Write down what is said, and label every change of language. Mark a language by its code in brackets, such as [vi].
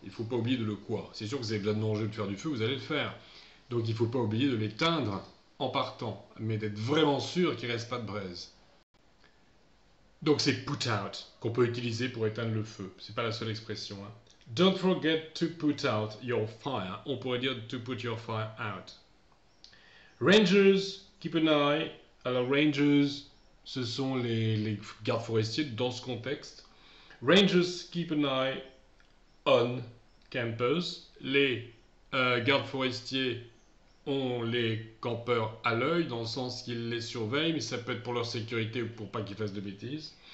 [fr] Il ne faut pas oublier de le quoi? C'est sûr que vous avez besoin de manger, de faire du feu, vous allez le faire. Donc, il ne faut pas oublier de l'éteindre en partant, mais d'être vraiment sûr qu'il ne reste pas de braise. Donc c'est put out qu'on peut utiliser pour éteindre le feu. C'est pas la seule expression. Hein. [en] Don't forget to put out your fire. [fr] On pourrait dire [en] to put your fire out. Rangers, keep an eye. [fr] Alors rangers, ce sont les gardes forestiers dans ce contexte. [en] Rangers, keep an eye on campers. [fr] Les gardes forestiers ont les campeurs à l'œil, dans le sens qu'ils les surveillent, mais ça peut être pour leur sécurité ou pour pas qu'ils fassent de bêtises.